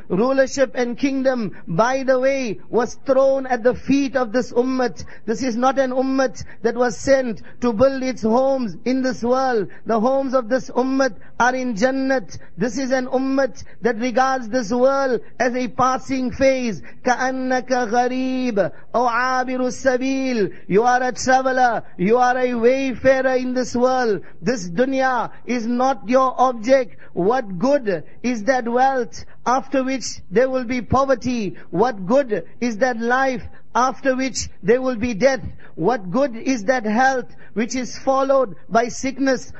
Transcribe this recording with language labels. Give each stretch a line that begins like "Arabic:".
English: Rulership and kingdom, by the way, was thrown at the feet of this ummah. This is not an ummah that was sent to build its homes in this world. The homes of this ummah are in Jannat. This is an ummah that regards this world as a passing phase.
Arabic: كَأَنَّكَ غَرِيبٌ أَوْ عَابِرُ السَّبِيلِ.
English: You are a traveler, you are a wayfarer in this world. This dunya is not your object. What good is that wealth after which there will be poverty? What good is that life after which there will be death? What good is that health which is followed by sickness?